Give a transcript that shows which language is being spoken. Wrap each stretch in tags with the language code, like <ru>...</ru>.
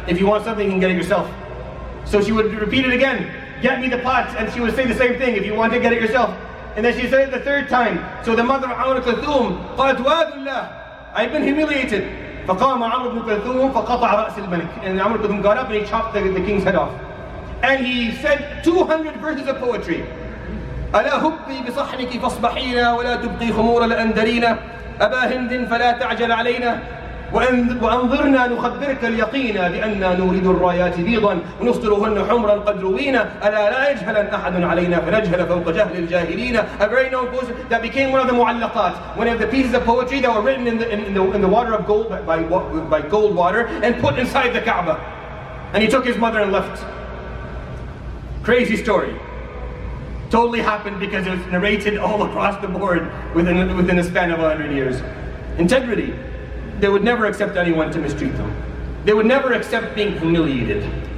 <en>If you want something, you can get it yourself. So she would repeat it again, get me the pot, and she would say the same thing, if you want to get it yourself. And then she said it the third time. So the mother of Amr ibn Kulthum,</en> <ar>قَالَتْ وَادُ اللَّهِ</ar> <en>I've been humiliated.</en> <ar>فَقَامَ عَمْرُ ibn Kulthum فَقَطَعَ رَأْسِ الْمَلِكِ</ar> <en>And Amr ibn Kulthum got up and he chopped the king's head off. And he said 200 verses of poetry.</en> <ar>أَلَا هُبِّي بِصَحْنِكِ فَاصْبَحِينَا وَلَا تُبْقِي خُمُورَ الْأَنْدَرِينَ أَبَا هِنْدٍ فَلَا تَعْجَلْ عَلَيْنَا وَأَنْظِرْنَا نُخَبِّرْكَ الْيَقِينَ بِأَنَّا نُورِدُ الرَّايَاتِ بِيضًا وَنُصْطِرُهُنَّ حُمْرًا قَدْ رُوِينَ أَلَا لَا يَجْهَلًا أَحَدٌ عَلَيْنَا فَنَجْهَلَ فَوْقَ جَهْلِ الْجَاهِلِينَ</ar> <en>A very known poem that became one of the mu'allaqat, one of the pieces of poetry that were written in the water of gold, by gold water, and put inside the Kaaba. and he took his mother and left. Crazy story. Totally happened because it was narrated all across the board within a span of 100 years. Integrity. They would never accept anyone to mistreat them. They would never accept being humiliated.</en>